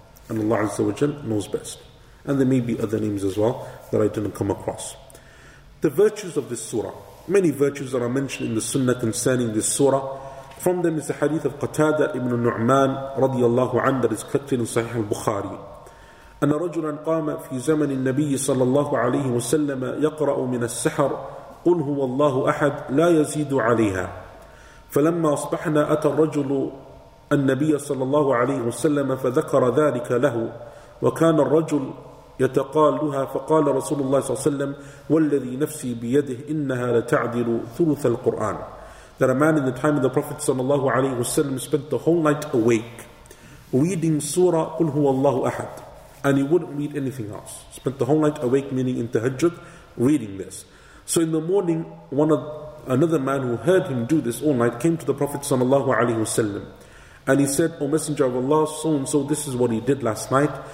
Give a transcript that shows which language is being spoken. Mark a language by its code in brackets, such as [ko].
[en] And Allah Azza wa Jal knows best. And there may be other names as well that I didn't come across. The virtues of this surah. Many virtues that are mentioned in the sunnah concerning this surah. From them is the hadith of Qatada ibn Nu'man radiallahu anhu, that is collected in Sahih al-Bukhari. [ar] أن رجلا قام في زمن النبي صلى الله عليه وسلم يقرأ من السحر قل هو الله أحد لا يزيد عليها. فلما أصبحنا أتى الرجل النبي صلى الله عليه وسلم فذكر ذلك له وكان الرجل يتقالها فقال رسول الله صلى الله عليه وسلم والذي نفسي بيده إنها لتعدل ثلث القرآن. [en] That a man in the time of the Prophet sallallahu alayhi wasallam spent the whole night awake reading surah Qul Huwa Allahu Ahad, and he wouldn't read anything else. Spent the whole night awake, meaning in tahajjud, reading this. So in the morning, another man who heard him do this all night came to the Prophet sallallahu alayhi wasallam, and he said, "O Messenger of Allah, so and so, this is what he did last night."